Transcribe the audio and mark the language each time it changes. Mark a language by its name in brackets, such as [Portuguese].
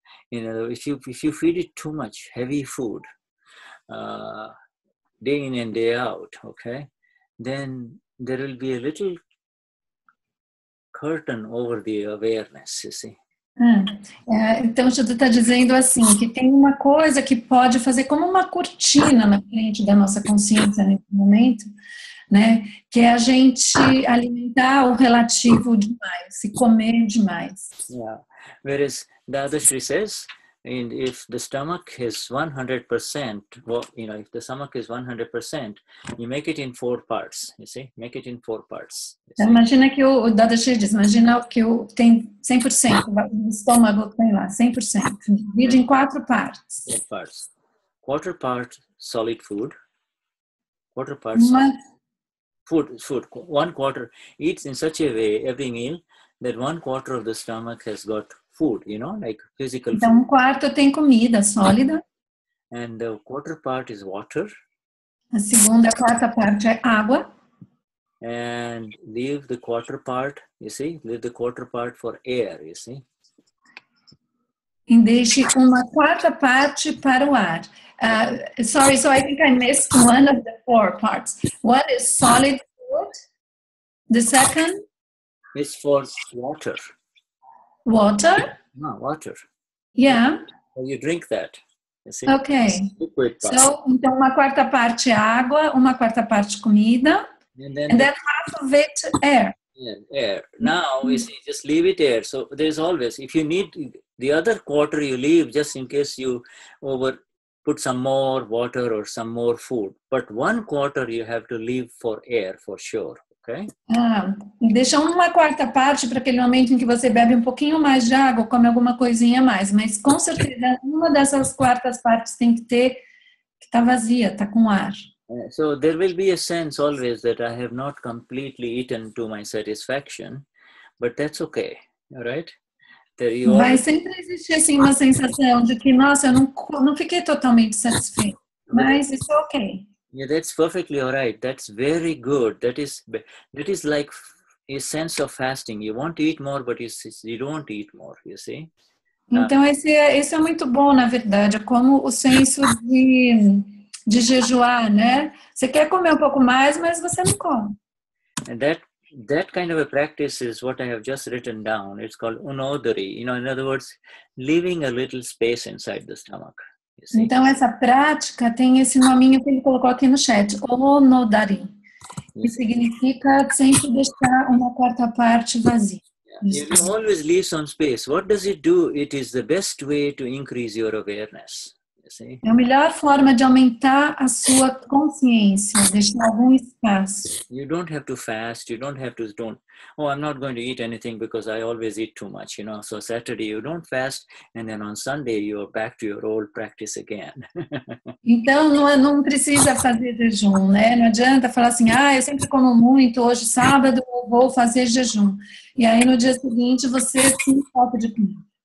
[English] You know, if you feed it too much heavy food day in and day out, okay, then there will be a little curtain over the awareness, you see. [Portuguese] Então, o Shuddha está dizendo assim, que tem uma coisa que pode fazer como uma cortina na frente da nossa consciência nesse momento, né? Que é a gente alimentar o relativo demais, se comer demais. [English] Yeah. Whereas Dadashri says, and if the stomach is 100%, well, you know, if the stomach is 100%, you make it in four parts, you see? Make it in four parts. [Portuguese] Imagina que o Dadashri diz, imagina que eu tenho 100%, o estômago tem lá, 100%, divide em quatro partes. [English] Four parts. Quarter part solid food. Quarter part food. One quarter eats in such a way every meal that one quarter of the stomach has got food, you know, like physical food. [Portuguese] Então, um quarto tem comida sólida. [English] And the quarter part is water. [Portuguese] A segunda, a quarta parte é água. [English] And leave the quarter part, you see, leave the quarter part for air, you see. [Portuguese] E deixe uma quarta parte para o ar. [English] Sorry, so I think I missed one of the four parts. What is solid food? The second? It's for water. Water? No, water. Yeah. So you drink that. You see? Okay. Liquid part. [Portuguese] So, então, uma quarta parte água, uma quarta parte comida. [English] And then half of it air. Yeah, air. Now, you see, just leave it air. So there's always, if you need the other quarter, you leave just in case you over put some more water or some more food. But one quarter you have to leave for air, for sure. Okay? [Portuguese] Deixa uma quarta parte para aquele momento em que você bebe um pouquinho mais de água, come alguma coisinha mais. Mas com certeza, uma dessas quartas partes tem que ter, que tá vazia, tá com ar. [English] So there will be a sense always that I have not completely eaten to my satisfaction, but that's okay, all right? There you are. [Portuguese] Vai sempre existir assim uma sensação de que, nossa, eu não fiquei totalmente satisfeito, mas [English] it's okay. Yeah, that's perfectly all right. That's very good. That is like a sense of fasting. You want to eat more, but you don't eat more, you see? [Portuguese] Então esse é muito bom, na verdade. É como o senso de... De jejuar, né? Você quer comer um pouco mais, mas você não come. [English] And that kind of a practice is what I have just written down. It's called unodari. You know, in other words, leaving a little space inside the stomach. You see? [Portuguese] Então, essa prática tem esse nominho que ele colocou aqui no chat. Unodari. Que significa sempre deixar uma quarta parte vazia. [English] Yeah. You always leave some space. What does it do? It is the best way to increase your awareness. [Portuguese] É a melhor forma de aumentar a sua consciência, deixar algum espaço. [English] You don't have to fast, you don't have to don't. Oh, I'm not going to eat anything because I always eat too much, you know. So Saturday you don't fast and then on Sunday you are back to your old practice again. [Portuguese] Então não precisa fazer jejum, né? Não adianta falar assim: "Ah, eu sempre como muito, hoje sábado eu vou fazer jejum." E aí no dia seguinte você se falta de comer.